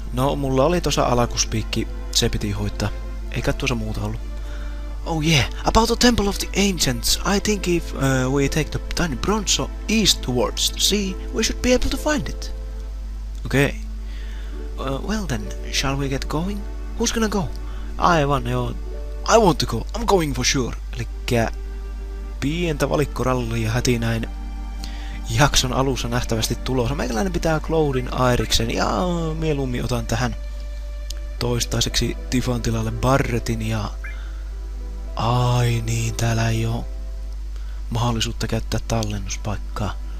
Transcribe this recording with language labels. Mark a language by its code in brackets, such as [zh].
[fi] No, mulla oli tuossa alakuspiikki, se piti hoitaa. Eikä tuossa muuta ollut. [en] Oh yeah, about the Temple of the Ancients. I think if we take the tiny bronzo east towards the sea, we should be able to find it. Okay. Well then, shall we get going? Who's gonna go? [fi] Aivan, joo. [en] I want to go. I'm going for sure. [fi] Elikkä pientä valikkorallia heti näin jakson alussa nähtävästi tulossa. Meikäläinen pitää Cloudin Airiksen ja mieluummin otan tähän toistaiseksi Tifan tilalle Barretin ja ai niin, täällä ei oo mahdollisuutta käyttää tallennuspaikkaa.